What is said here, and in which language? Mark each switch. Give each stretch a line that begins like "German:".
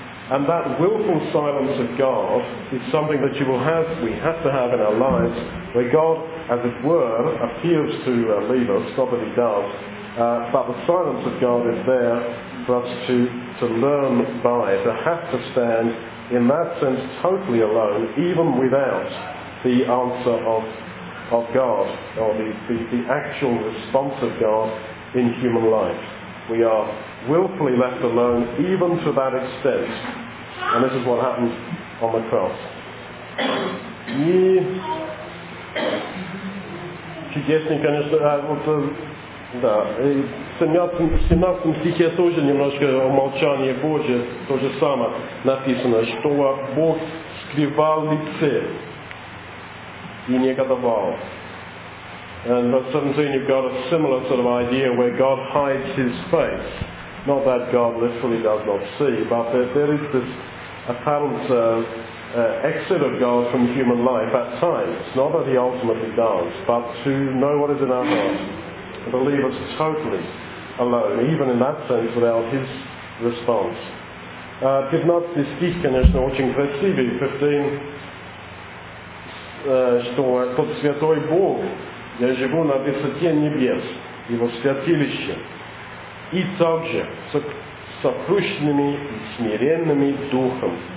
English: And that willful silence of God is something that you will have, we have to have in our lives, where God, as it were, appears to leave us, not that he does, but the silence of God is there for us to learn by, to have to stand in that sense totally alone, even without the answer of God, or the actual response of God in human life. We are willfully left alone even to that extent. And this is what happens on the cross.
Russian: Чудесный, конечно, вот да, и в 17 стихе тоже немножко умолчание Божие, то же самое написано, что Бог скрывал лице и негодовал.
English: And verse 17, you've got a similar sort of idea where God hides his face. Not that God literally does not see, but there is this apparent exit of God from human life at times. Not that he ultimately does, but to know what is in our heart, to leave us totally alone, even in that sense, without his response.
Russian: 15 стих, конечно, очень красивый, 15, что тот святой Бог, я живу на высоте небес, его святилище, и также с сокрушенными и смиренными духом.